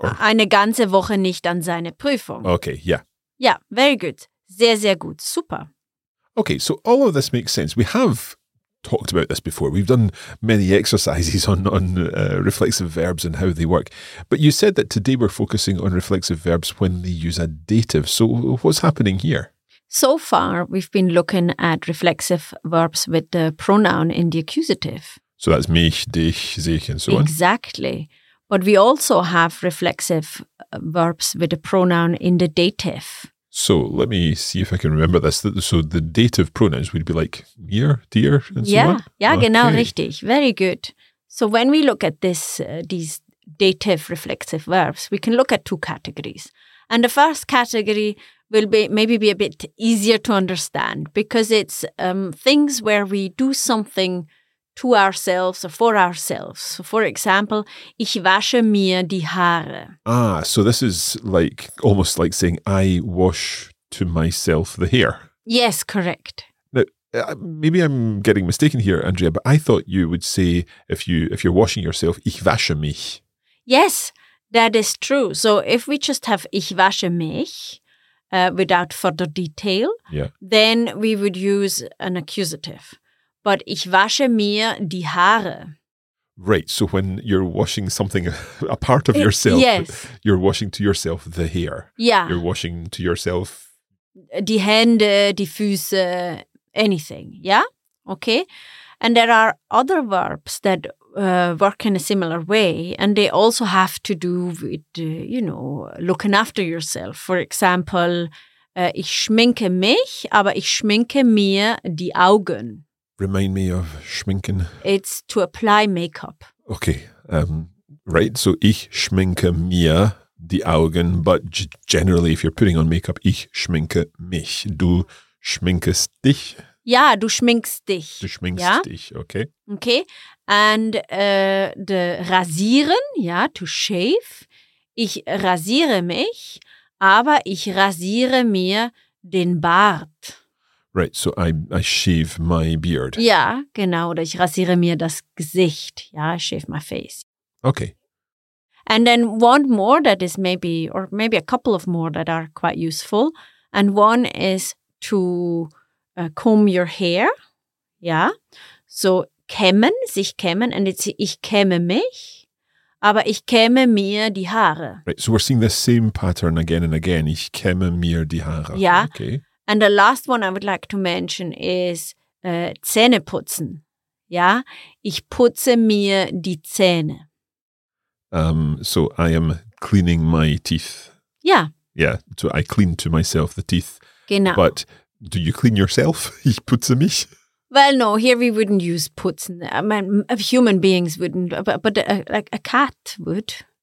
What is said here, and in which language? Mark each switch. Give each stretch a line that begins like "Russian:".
German: eine ganze Woche nicht an seine Prüfung.
English: Okay, yeah. Yeah, very good.
German: Sehr, sehr gut. Super.
English: Okay, so all of this makes sense. We have talked about this before. We've done many exercises on reflexive verbs and how they work. But you said that today we're focusing on reflexive verbs when they use a dative. So what's happening here? So far, we've been looking at reflexive verbs with the pronoun in the accusative. So that's mich, dich, sich, and so on. Exactly. But we also have reflexive verbs with a pronoun in the dative. So let me see if I can remember this. So the dative pronouns would be like mir, dir, and so on? Yeah, okay.
German: Genau, richtig.
English: Very good. So when we look at this, these dative reflexive verbs, we can look at two categories. And the first category will be maybe be a bit easier to understand because it's things where we do something to ourselves or for ourselves. So for example,
German: ich wasche mir die Haare.
English: Ah, so this is like almost like saying I wash to myself the hair. Yes, correct. Now, maybe I'm getting mistaken here, Andrea, but I thought you would say if you're washing yourself,
German: ich wasche mich.
English: Yes, that is true. So if we just have
German: ich wasche mich
English: without further detail, then we would use an accusative.
German: But ich wasche mir die Haare.
English: Right. So when you're washing something, a part of yourself, you're washing to yourself the hair. Yeah. You're washing to yourself.
German: Die Hände, die Füße, anything.
English: Yeah. Okay. And there are other verbs that work in a similar way. And they also have to do with, looking after yourself. For example,
German: ich schminke mich, aber ich schminke mir die Augen.
English: Remind me of schminken. It's to apply makeup. Okay. Right.
German: So ich schminke mir die Augen.
English: But generally, if you're putting on makeup,
German: ich schminke mich. Du schminkest dich. Ja, du schminkst dich. Du schminkst dich. Okay.
English: Okay. And the rasieren, to shave.
German: Ich rasiere mich, aber ich rasiere mir den Bart.
English: Right, so I shave my beard. Yeah, genau.
German: Oder ich rasiere mir das Gesicht.
English: Yeah, I shave my face. Okay. And then one more that is maybe, or maybe a couple of more that are quite useful. And one is to comb your hair.
German: Yeah. So kämmen, sich kämmen.
English: And it's
German: ich kämme mich, aber ich kämme mir die Haare.
English: Right, so we're seeing the same pattern again and again.
German: Ich kämme mir die Haare.
English: Yeah. Okay. And the last one I would like to mention is Zähne putzen.
German: Ja, ich putze mir die Zähne.
English: So I am cleaning my teeth. Yeah. Yeah, so I clean to myself the teeth.
German: Genau.
English: But do you clean yourself?
German: Ich putze mich.
English: Well, no, here we wouldn't use putzen. I mean, human beings wouldn't, but like a cat would.